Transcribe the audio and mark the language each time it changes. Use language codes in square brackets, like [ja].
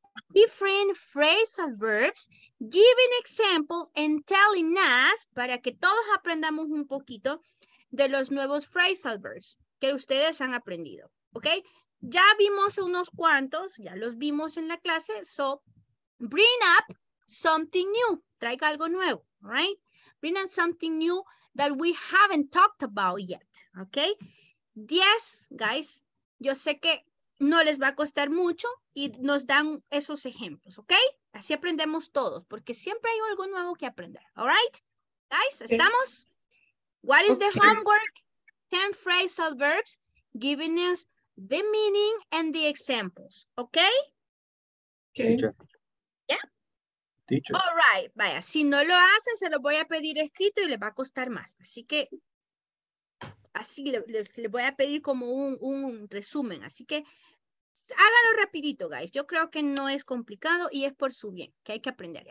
[en] different phrasal verbs, giving examples and telling us, [es] para que todos aprendamos un poquito de los nuevos phrasal verbs que ustedes han aprendido, ok, ya vimos unos cuantos, ya los vimos en la clase, [en] so bring up something new. [es] Traiga algo nuevo, right? [en] Bring in something new that we haven't talked about yet, okay? [es] 10, guys, yo sé que no les va a costar mucho y nos dan esos ejemplos, okay? Así aprendemos todos, porque siempre hay algo nuevo que aprender, all right? Guys, ¿estamos? [en] What is the homework? 10 phrasal verbs giving us the meaning and the examples, okay? Okay. Yeah. Teacher. [es] All right, vaya, si no lo hacen, se lo voy a pedir escrito y les va a costar más. Así que, así le voy a pedir como un resumen. Así que, háganlo rapidito, guys. Yo creo que no es complicado y es por su bien, que hay que aprender.